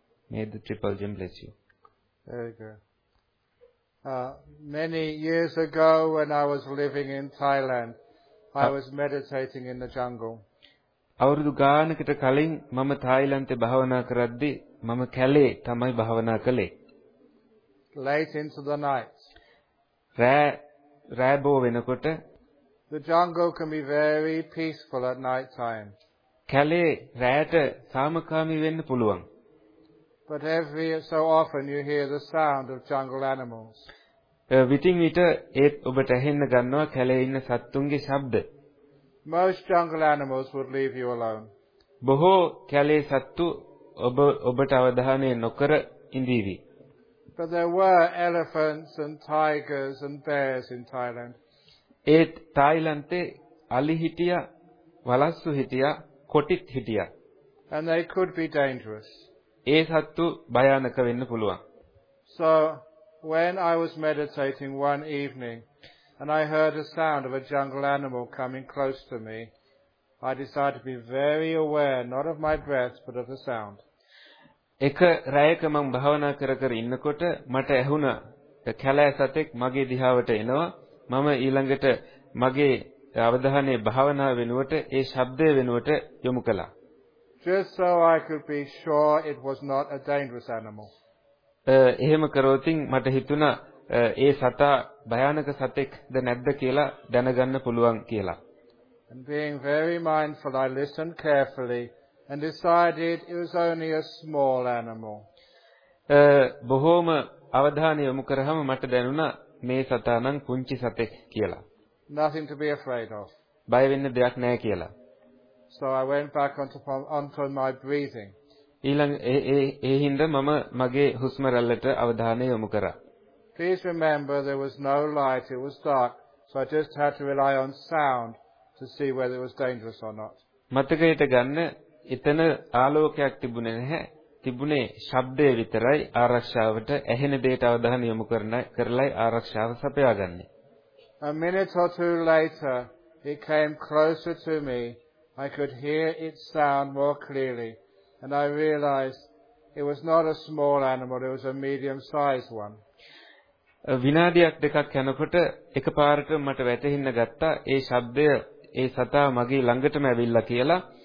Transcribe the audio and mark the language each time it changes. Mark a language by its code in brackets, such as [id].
[en] May the Triple Gem bless you. Very good. Many years ago when I was living in Thailand, I was meditating in the jungle. [si] අවුරුදු ගානකට කලින් මම තායිලන්තේ භාවනා කරද්දී මම කැලේ තමයි භාවනා කළේ. [en] Late into the night. [si] රෑ බෝ වෙනකොට. [en] The jungle can be very peaceful at night time. [si] කැලේ රෑට සාමකාමී වෙන්න පුළුවන්. [en] But every so often you hear the sound of jungle animals. [si] විටින් විට ඒත් ඔබට ඇහෙන්න ගන්නවා කැලේ ඉන්න සත්තුන්ගේ ශබ්ද. [en] Most jungle animals would leave you alone. [si] බොහෝ කැලේ සත්තු ඔබට අවධානය නොකර ඉඳීවි. [en] But there were elephants and tigers and bears in Thailand. [si] ඒත් තායිලන්තේ අලි හිටියා, වලස්සු හිටියා, කොටිත් හිටියා. [en] And they could be dangerous. [si] ඒ සත්තු භයානක වෙන්න පුළුවන්. [en] So when I was meditating one evening and I heard a sound of a jungle animal coming close to me, I decided to be very aware, not of my breath, but of the sound. [si] එක රැයක මං භාවනා කර කර ඉන්නකොට මට ඇහුණ කැලෑ සතෙක් මගේ දිහාවට එනවා. මම ඊළඟට මගේ අවධානය භාවනා වෙනුවට ඒ ශබ්දය වෙනුවට යොමු කළා. [en] Just so I could be sure it was not a dangerous animal. [si] එහෙම කරොතින් මට හිතුණා ඒ සතා භයානක සතෙක්ද නැද්ද කියලා දැනගන්න පුළුවන් කියලා. [en] And being very mindful, I listened carefully and decided it was only a small animal. [si] බොහෝම අවධානය යොමු කරාම මට දැනුණා මේ සතා නම් කුංචි සතෙක් කියලා. [en] Nothing to be afraid of. [si] බය වෙන්න දෙයක් නැහැ කියලා. [en] So I went back onto my breathing. [si] ඊළඟ ඒ හින්ද මම මගේ හුස්ම රැල්ලට අවධානය යොමු කරා. [en] Please remember there was no light, it was dark, so I just had to rely on sound to see whether it was dangerous or not. [si] මතකයට ගන්න එතන ආලෝකයක් තිබුණේ නැහැ. තිබුණේ ශබ්දය විතරයි ආරක්ෂාවට ඇහෙන දේට අවධානය යොමු කරලයි ආරක්ෂාව සපයාගන්නේ. [en] A minute or two later, it came closer to me. I could hear its sound more clearly. And I realized it was not a small animal, it was a medium-sized one. [si] විනාඩියක් දෙකක් යනකොට එකපාරට මට වැටහෙන්න ගත්තා ඒ ශබ්දය ඒ සතා මගේ ළඟටම ඇවිල්ලා කියලා.